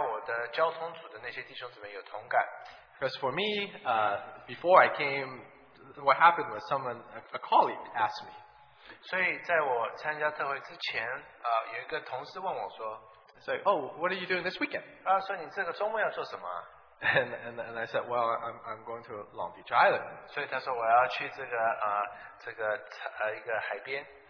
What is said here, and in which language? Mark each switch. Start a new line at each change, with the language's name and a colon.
Chinese: 所以对我而言，还有参加我的交通组的那些弟兄姊妹有同感。
English: Because for me, before I came, what happened was someone, a colleague asked me.
Chinese: 所以在我参加特会之前, 有一个同事问我说,
English: say, oh, what are you doing this weekend?
Chinese: 说你这个周末要做什么?
English: And I said, well, I'm going to Long Beach Island.
Chinese: 所以他说我要去这个, 这个一个海边。